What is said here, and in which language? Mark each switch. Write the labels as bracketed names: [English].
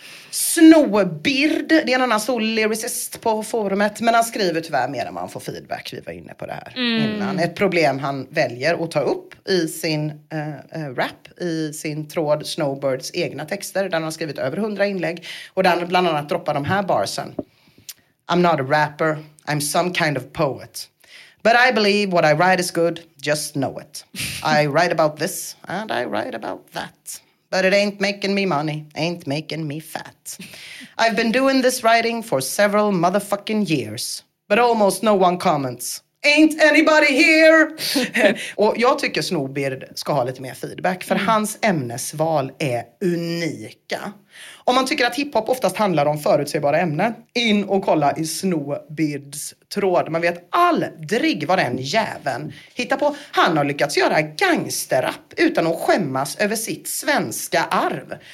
[Swedish] Snobird, det är en annan sol-lyricist på forumet, men han skriver tyvärr mer än man får feedback, vi var inne på det här innan. Ett problem han väljer att ta upp i sin rap, i sin tråd Snowbirds egna texter, där han har skrivit över 100 inlägg, och där han bland annat droppar de här barsen. [English] I'm not a rapper, I'm some kind of poet. But I believe what I write is good, just know it. I write about this, and I write about that. But it ain't making me money, ain't making me fat. I've been doing this writing for several motherfucking years. But almost no one comments. Ain't anybody here? [Swedish] Och jag tycker Snobird ska ha lite mer feedback. För hans ämnesval är unika. Om man tycker att hiphop oftast handlar om förutsägbara ämnen, in och kolla i Snobirds tråd. Man vet aldrig vad den jäveln hittar på. Han har lyckats göra gangsterrap utan att skämmas över sitt svenska arv.